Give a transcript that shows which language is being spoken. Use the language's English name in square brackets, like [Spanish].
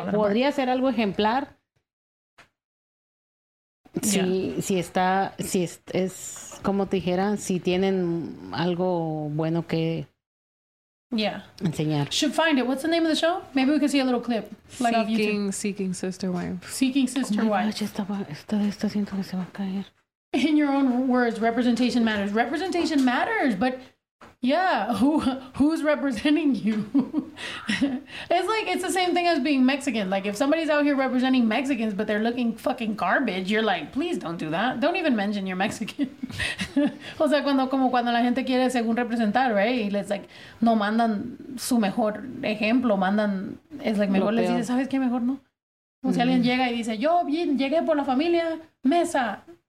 [Spanish] porque podría ser algo ejemplar si, si está, si es como te dijera, si tienen algo bueno que enseñar. [English] Should find it. What's the name of the show? Maybe we can see a little clip. Like Seeking, Seeking Sister Wife. Seeking Sister Wife. [Spanish] Esto siento que se va a caer. [English] In your own words, representation matters. Representation matters, but yeah, who's representing you? It's like, it's the same thing as being Mexican. Like, if somebody's out here representing Mexicans, but they're looking fucking garbage, you're like, please don't do that. Don't even mention you're Mexican. [Spanish] O sea, cuando, como cuando la gente quiere según representar, right? It's like, no mandan su mejor ejemplo, mandan, es like, mejor les dice, ¿sabes qué mejor no? O sea, alguien llega y dice, yo bien, llegué por la familia Mesa.